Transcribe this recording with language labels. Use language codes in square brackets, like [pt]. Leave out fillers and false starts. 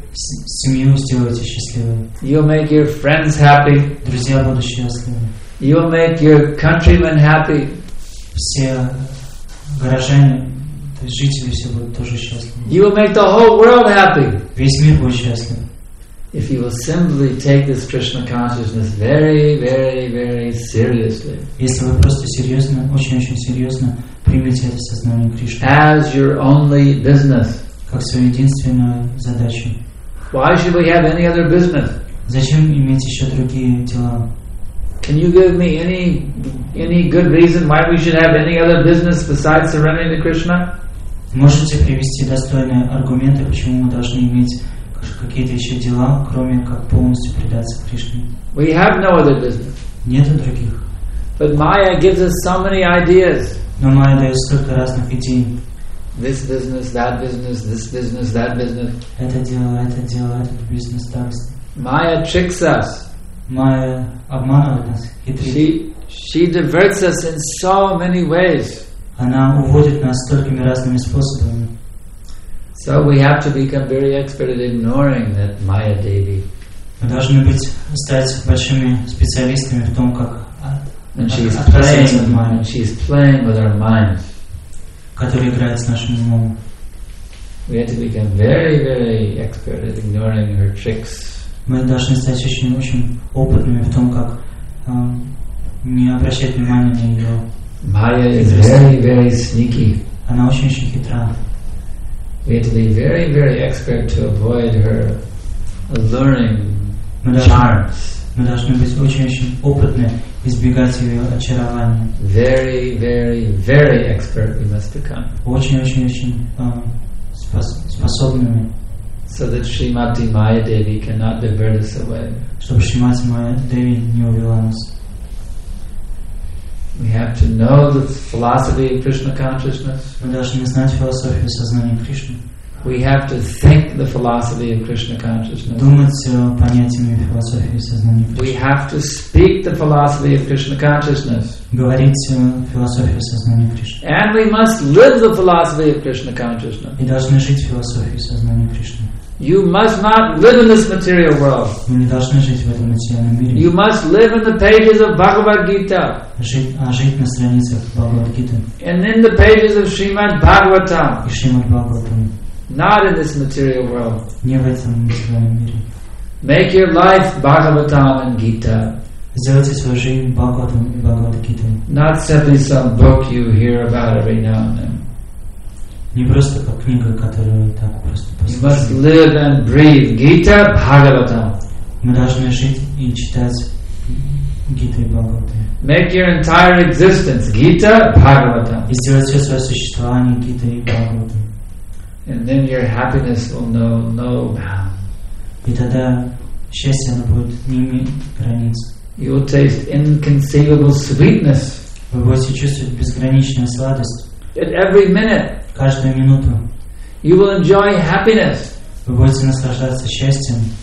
[ru] Семью сделайте счастливой. [en] You will make your friends happy. [ru] Друзья будут счастливы. [en] You will make your countrymen happy. [ru] Все горожане, то есть жители, все будут тоже счастливы. [en] You will make the whole world happy. [ru] Весь мир будет счастлив. [en] If you will simply take this Krishna consciousness very, very, very seriously. [ru] Если вы просто серьезно, очень-очень серьезно примете это сознание Кришны. [en] As your only business. [ru] Как свою единственную задачу. [en] Why should we have any other business? [ru] Зачем иметь еще другие дела? [en] Can you give me any good reason why we should have any other business besides surrendering to Krishna? [ru] Можете привести достойные аргументы, почему мы должны иметь какие-то еще дела, кроме как полностью предаться Кришне? [en] We have no other business. [ru] Нет других. [en] But Maya gives us so many ideas. [ru] Но Майя дает столько разных идей. [en] This business, that business, this business, that business. [ru] Это дело, это дело, это бизнес, так. [en] Maya tricks us. [ru] Майя обманывает нас, хитрит. [en] She diverts us in so many ways. [ru] Она уводит нас столькими разными способами. [en] So we have to become very expert at ignoring that Maya Devi. [ru] Мы должны стать большими специалистами в том, как [en] she's playing with our minds. [ru] Которая играет с нашим умом. [en] We have to become very, very expert at ignoring her tricks. [ru] Мы должны стать очень-очень опытными в том, как не обращать внимания на ее. [en] Maya is very, very sneaky. [ru] Она очень-очень хитра. [en] We have to be very, very expert to avoid her alluring charms. [ru] Мы должны быть очень-очень опытны избегать ее очарования. [en] Very, very, very expert we must become. [ru] Очень-очень-очень способными. [en] So that Srimati Maya Devi cannot divert us away. [ru] Чтобы Шримати Майя Деви не увела нас. [en] We have to know the philosophy of Krishna consciousness. [ru] Мы должны знать философию сознания Кришны. [en] We have to think the philosophy of Krishna consciousness. [ru] Думать понятиями философии сознания Кришны. [en] We have to speak the philosophy of Krishna consciousness. [ru] Говорить философию сознания Кришны. [en] And we must live the philosophy of Krishna consciousness. [ru] И должны жить философию сознания Кришны. [en] You must not live in this material world. [ru] Мы не должны жить в этом материальном мире. [en] You must live in the pages of Bhagavad Gita. [ru] Жить на страницах Бхагавад Гиты. [en] And in the pages of Srimad Bhagavatam. [ru] И Шримад Бхагаватам. [en] Not in this material world. [ru] Не в этом материальном мире. [en] Make your life Bhagavatam and Gita. [ru] Сделайте свою жизнь Бхагаватам и Бхагавад Гитой. [en] Not simply some book you hear about every now and then. [ru] Не просто как книга, которую так просто послушали. [en] You must live and breathe Gita Bhagavatam. [ru] Мы должны жить и читать Гиту и Бхагавату. [en] Make your entire existence Gita Bhagavatam. [ru] И сделать все свое существование Гита и Бхагавату. [en] And then your happiness will know no bounds. [ru] И тогда счастье будет не иметь границ. [en] You will taste inconceivable sweetness. [ru] Вы будете чувствовать безграничную сладость. [en] At every minute. [ru] Каждую минуту. [en] You will enjoy happiness. [ru] Вы будете наслаждаться счастьем.